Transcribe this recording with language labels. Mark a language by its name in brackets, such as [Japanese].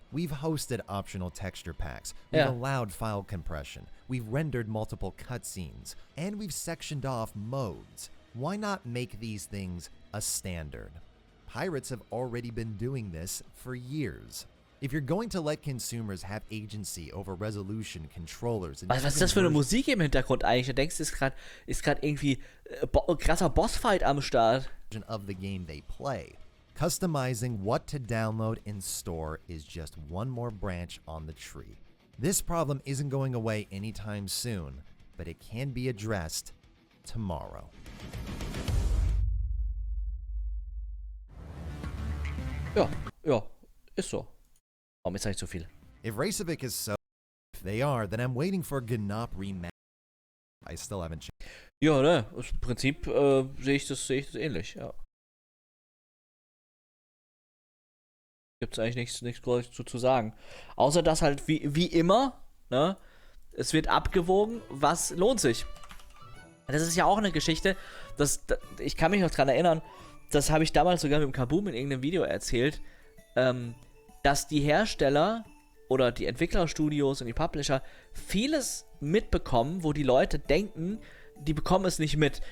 [English] We've hosted optional texture packs, we've allowed file compression, we've rendered multiple cutscenes, and we've sectioned off modes. Why not make these things a standard? Pirates have already been doing this for years. If you're going to let consumers have agency over resolution, controllers, and [German] was ist das für eine Musik im Hintergrund eigentlich? Da denkst du, ist gerade irgendwie krasser Bossfight am Start. [English] Of the game they play. Customizing what to download and store is just one more branch on the tree. This problem isn't going away anytime soon, but it can be addressed tomorrow. [German] Ja, ja, ist so. Warum ist eigentlich so viel? [English] If Racevic is so, if they are, then I'm waiting for Ganop rematch. I still haven't checked. [German] Ja, ne, im Prinzip sehe ich das ähnlich, ja. gibt's eigentlich nichts Großes zu sagen. Außer dass halt wie immer, ne? Es wird abgewogen, was lohnt sich. Das ist ja auch eine Geschichte, ich kann mich noch dran erinnern, das habe ich damals sogar mit dem Kaboom in irgendeinem Video erzählt, dass die Hersteller oder die Entwicklerstudios und die Publisher vieles mitbekommen, wo die Leute denken, die bekommen es nicht mit.